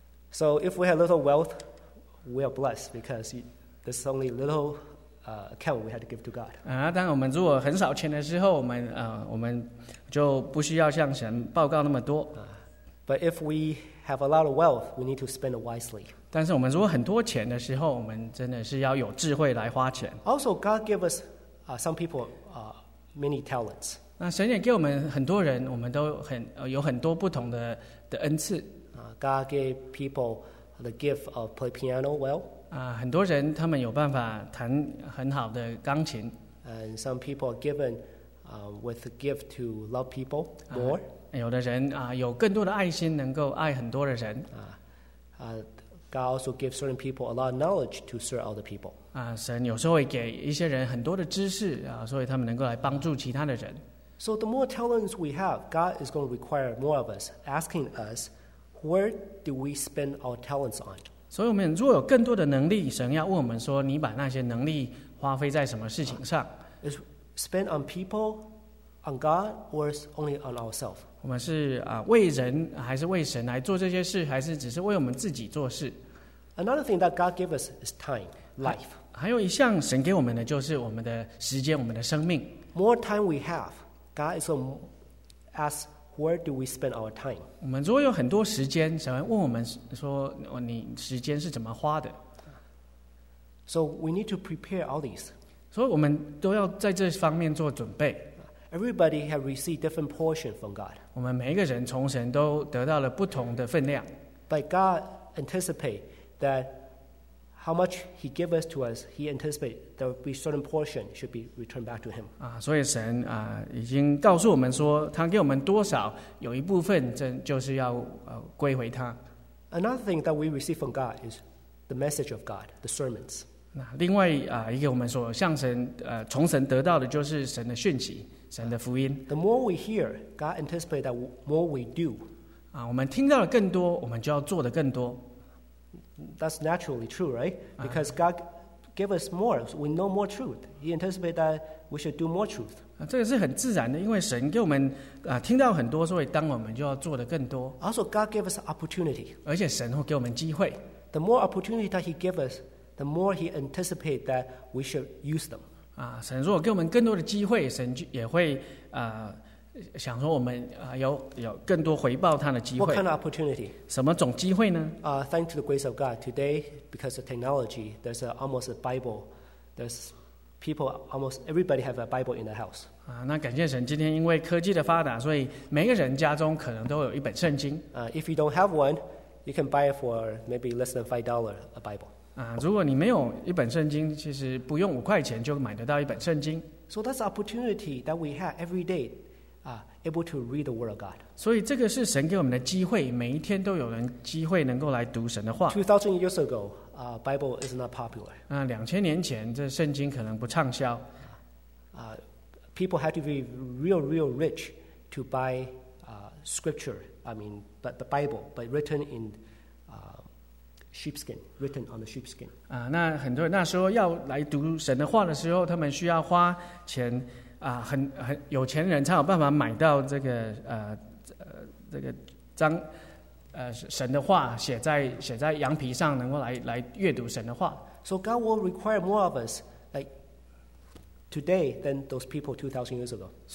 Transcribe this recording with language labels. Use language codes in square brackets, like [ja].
[en] So if we have little wealth, we are blessed because there's only little account we had to give to God. [zh] 当然我们如果很少钱的时候, 我们就不需要向神报告那么多。 [en] But if we have a lot of wealth, we need to spend it wisely. [zh] 但是我们如果很多钱的时候, 我们真的是要有智慧来花钱。 [en] Also, God gave us some people many talents. [zh] 那神也给我们很多人, 我们都有很多不同的恩赐。 [en] God gave people the gift of play piano well. [zh] 很多人他们有办法弹很好的钢琴。 [en] And some people are given with the gift to love people more. [zh] 有的人, 有更多的爱心, 能够爱很多的人。 [en] God also gives certain people a lot of knowledge to serve other people. [zh] 神有时候会给一些人很多的知识, 所以他们能够来帮助其他的人。 [en] So the more talents we have, God is going to require more of us, asking us, where do we spend our talents on? [zh] 所以我们如果有更多的能力, 神要问我们说, 你把那些能力花费在什么事情上? [en] Is spent on people, on God, or is only on ourselves? [zh] 我们是, 为人, 还是为神来做这些事, 还是只是为我们自己做事? [en] Another thing that God gave us is time, life. [zh] 还有一项神给我们的, 就是我们的时间, 我们的生命。 [en] More time we have, God is going to ask, where do we spend our time? [zh] 我们如果有很多时间, 神会问我们说, 你时间是怎么花的? [en] So we need to prepare all these. [zh] 所以我们都要在这方面做准备。 [en] Everybody has received different portion from God. [zh] 我们每一个人从神都得到了不同的分量。 [en] But God anticipates that how much he gives us to us, he anticipates there will be certain portion should be returned back to him. [zh] 所以神, 已经告诉我们说, 他给我们多少, 有一部分就是要, 归回他。 [en] Another thing that we receive from God is the message of God, the sermons. [zh] 另外, 一个我们说向神, 从神得到的就是神的讯息。神的福音, [en] the more we hear, God anticipates that more we do. [zh] 我们听到了更多, 我们就要做得更多。 [en] That's naturally true, right? Because God gave us more, so we know more truth. He anticipates that we should do more truth. [zh] 这个是很自然的, 因为神给我们, 听到很多, 所以当我们就要做得更多。 [en] Also, God gave us opportunity. [zh] 而且神会给我们机会。 [en] The more opportunity that he gave us, the more he anticipates that we should use them. [zh] 神如果给我们更多的机会, 神也会, 想说我们, 有更多回报他的机会。 [en] What kind of opportunity? [zh] 什么种机会呢? [en] Thanks to the grace of God, today, because of technology, there's almost a Bible, there's people, almost everybody have a Bible in the house. [zh] 那感谢神, 今天因为科技的发达, 所以每个人家中可能都有一本圣经。 [en] If you don't have one, you can buy it for maybe less than $5 a Bible. [zh] 如果你没有一本圣经, 其实不用5块钱就买得到一本圣经。 [en] So that's the opportunity that we have every day able to read the Word of God. [zh] 所以这个是神给我们的机会, 每一天都有人机会 能够来读神的话。 [en] 2000 years ago, Bible is not popular. [zh] 2000年前, 这圣经可能不畅销。 [en] People had to be real, real rich to buy scripture, I mean, but the Bible, but written in sheepskin, written on the sheepskin. [zh] 那很多人那时候要来读神的话的时候, 他们需要花钱, 很有钱人才有办法买到这个, 这个章, 神的话, 写在羊皮上, 能够来阅读神的话。 [en] So God will require more of us, like, today than those people 2,000 years ago.